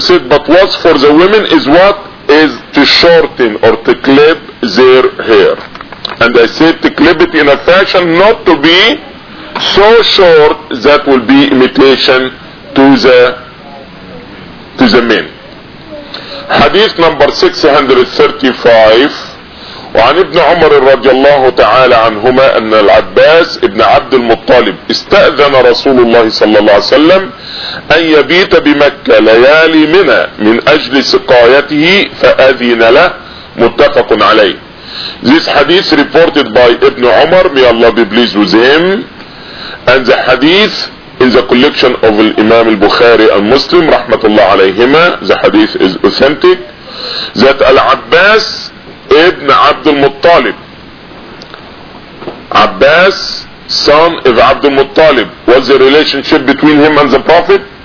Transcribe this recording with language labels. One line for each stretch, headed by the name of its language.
English: said, but what's for the women is what? Is to shorten or to clip their hair. And I said to clip it in a fashion not to be so short that will be imitation to the men. Hadith number 635.
Arabic: وعن ابن عمر رضي الله تعالى عنهما أن العباس ابن عبد المطلب استأذن رسول الله صلى الله عليه وسلم أن يبيت بمكة ليالي منى من أجل سقايته فأذن له. متفق عليه.
English: This hadith reported by ابن عمر, may Allah be pleased with him, and the hadith in the collection of الإمام البخاري المسلم
Arabic: رحمة الله عليهما.
English: The hadith is authentic that العباس Ibn Abd al-Muttalib, Abbas, son of Abd al-Muttalib, was the relationship between him and the Prophet?